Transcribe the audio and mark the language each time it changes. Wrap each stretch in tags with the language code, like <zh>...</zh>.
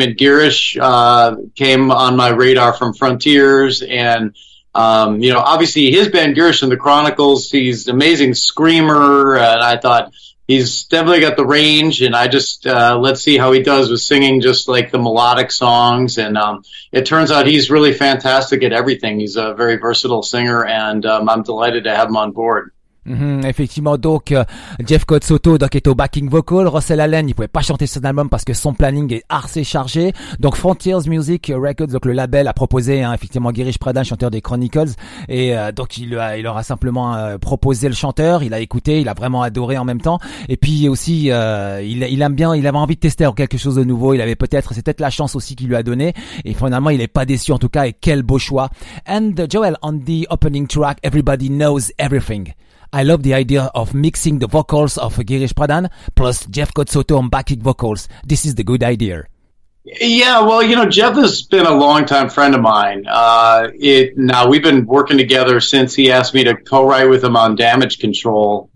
<en>And Girish came on my radar from Frontiers, and you know, obviously his band Girish and the Chronicles, he's an amazing screamer, and I thought, he's definitely got the range, and I just let's see how he does with singing just like the melodic songs. And it turns out he's really fantastic at everything. He's a very versatile singer, and I'm delighted to have him on board. Mm-hmm.</en> <fr>Effectivement, donc Jeff Scott Soto donc est au backing vocal. Russell Allen, il pouvait pas chanter son album parce que son planning est assez chargé. Donc Frontiers Music Records, donc le label, a proposé effectivement Girish Pradhan, chanteur des Chronicles, et donc il leur a simplement proposé le chanteur. Il a écouté, il a vraiment adoré en même temps. Et puis aussi il avait envie de tester quelque chose de nouveau. Il avait peut-être, c'est peut-être la chance aussi qu'il lui a donné. Et finalement, il est pas déçu en tout cas. Et quel beau choix.</fr> <en>And Joel, on the opening track, Everybody Knows Everything. I love the idea of mixing the vocals of Girish Pradhan plus Jeff Scott Soto on backing vocals. This is the good idea. Yeah, well, you know, Jeff has been a longtime friend of mine. Now, we've been working together since he asked me to co-write with him on Damage Control.</en>